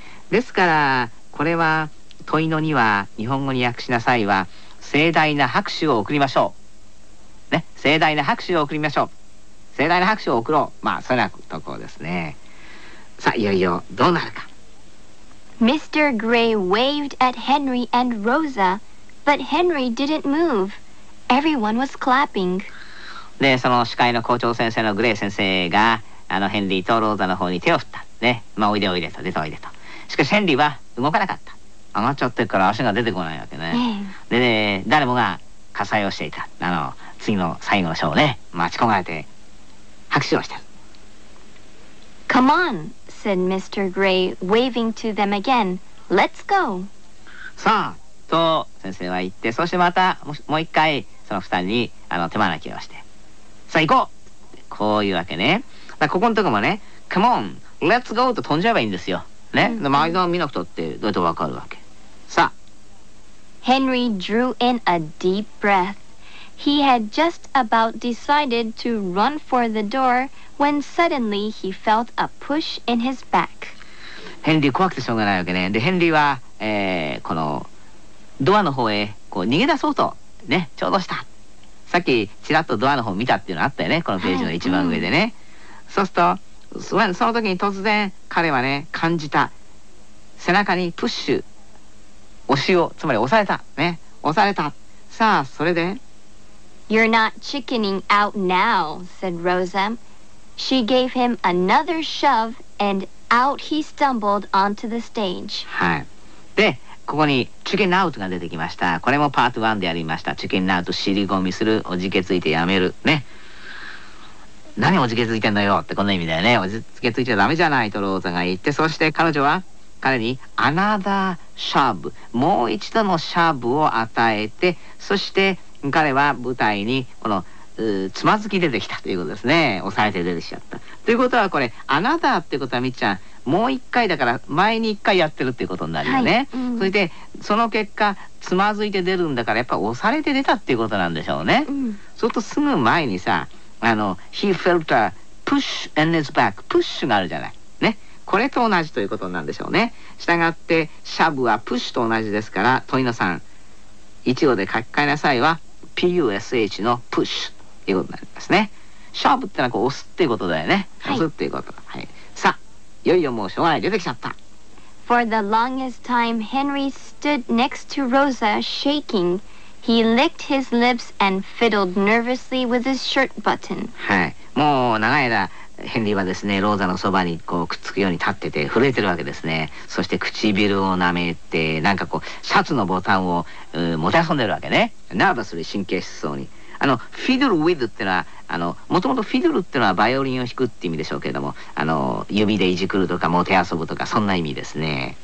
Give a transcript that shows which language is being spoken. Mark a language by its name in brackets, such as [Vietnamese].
[Japanese] ですから、これは、問いの2は、日本語に訳しなさいは、盛大な拍手を送りましょう。ね。盛大な拍手を送りましょう。盛大な拍手を送ろう。まあ、そういうところですね。さあ、いよいよ、どうなるか。 [English] Mr. Gray waved at Henry and Rosa, but Henry didn't move. Everyone was clapping. [Japanese] で、その司会の校長先生のグレイ先生が、ヘンリーとローザの方に手を振った。ね。まあ、おいでおいでと、出ておいでと。しかし、ヘンリーは動かなかった。上がっちゃってるから足が出てこないわけね。でね、誰もが喝采をしていた。次の最後のショーをね、待ち焦がれて、拍手をしてる。 [English] Come on! said Mr. Gray, waving to them again. Let's go! [Japanese] さあ、と先生は言って、そしてまたもう一回、その二人に手招きをして。さあ、行こう！こういうわけね。だからここのとこもね、 Come on! Let's go! と飛んじゃえばいいんですよ。ね。で、周りの見なくたって、どうやってわかるわけ。さあ。 [English] Henry drew in a deep breath. He had just about decided to run for the door. When suddenly he felt a push in his back. [Japanese] ヘンリー怖くてしょうがないわけね。で、ヘンリーは、このドアの方へこう逃げ出そうとね、ちょうどした。さっきちらっとドアの方見たっていうのあったよね、このページの一番上でね。はい、うん、そうすると、その時に突然彼はね、感じた背中にプッシュ、押しを、つまり押されたね、押された。さあ、それで。 [English] You're not chickening out now, said Rosa. She gave him another shove and out he stumbled onto the stage. [Japanese] はい。で、ここにチキンアウトが出てきました。これもパート1でやりました。チキンアウト、尻込みする、おじけついてやめる。ね。何おじけついてんのよってこの意味だよね。おじけついちゃダメじゃないとローザが言って、そして彼女は彼に another shove、もう一度のシャーブを与えて、そして彼は舞台にこのつまずき出てきたということですね。押されて出てきちゃったということは、これあなたってことはみっちゃん、もう一回だから前に一回やってるっていうことになるよね、はい、うん、それでその結果つまずいて出るんだから、やっぱ押されて出たっていうことなんでしょうね、うん、そうするとすぐ前にさ、 He felt a push in his back、プッシュがあるじゃないね。これと同じということなんでしょうね。したがってシャブはプッシュと同じですから、トイノさん一語で書き換えなさいは PUSH のプッシュということになりますね。シャープってのはこう押すっていうことだよね。押すっていうこと、はい、さあ、いよいよもうしょうがない、出てきちゃった。 [English] For the longest time Henry stood next to Rosa shaking. He licked his lips and fiddled nervously with his shirt button. [Japanese] はい、もう長い間ヘンリーはですね、ローザのそばにこうくっつくように立ってて震えてるわけですね。そして唇をなめて、なんかこうシャツのボタンを持て遊んでるわけね。ナーバスで神経質そうに、フィドルウィズってのは、もともとフィドルってのはバイオリンを弾くって意味でしょうけれども、指でいじくるとか、もて遊ぶとか、そんな意味ですね。